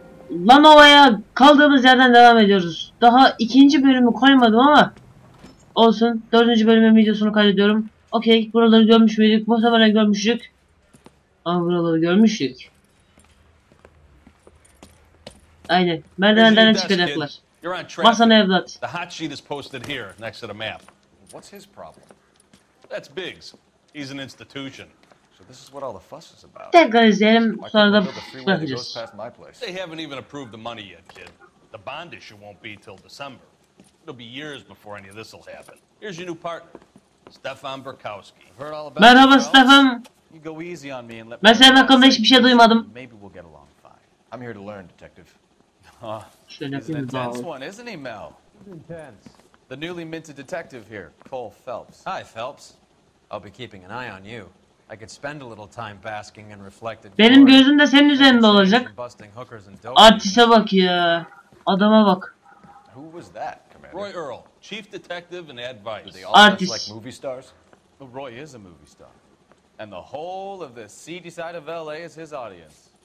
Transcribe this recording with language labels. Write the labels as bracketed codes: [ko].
[tr] Lanova'ya kaldığımız yerden devam ediyoruz. Daha ikinci bölümü koymadım ama olsun. Dördüncü bölümün videosunu kaydediyorum. Okey, buraları görmüş müydük? Bu sefer görmüştük. Ama buraları görmüştük. Aynen. Merdivenlerden çıkacaklar. Masanın evlat. [en] The hot sheet is posted here next to the map. What's his problem? That's Biggs. He's an institution. So this is what all the fuss is about. [tr] Tekrar izleyelim, sonra da bakacağız. [en] They haven't even approved the money yet, kid. The bond issue won't be till December. It'll be years before any of this will happen. Here's your new partner, Stefan Berkowski. Heard all about [tr] Merhaba [en] Stefan. You go easy on me and let me. [tr] Ben senin hakkında hiçbir şey duymadım. [en] Maybe we'll get along fine. I'm here to learn, detective. Intense one, isn't he, Mel? Intense. The newly minted detective here, Cole Phelps. Hi, Phelps. I'll be keeping an eye on you. I could spend a little time basking and reflecting. [tr] Benim gözüm de senin üzerinde olacak. Artiste bak ya. Adama bak. [en] Who was that, Commander? Roy Earl, chief detective and advice. They all look like movie stars. Well, Roy is a movie star. And the whole of the seedy side of LA is his audience.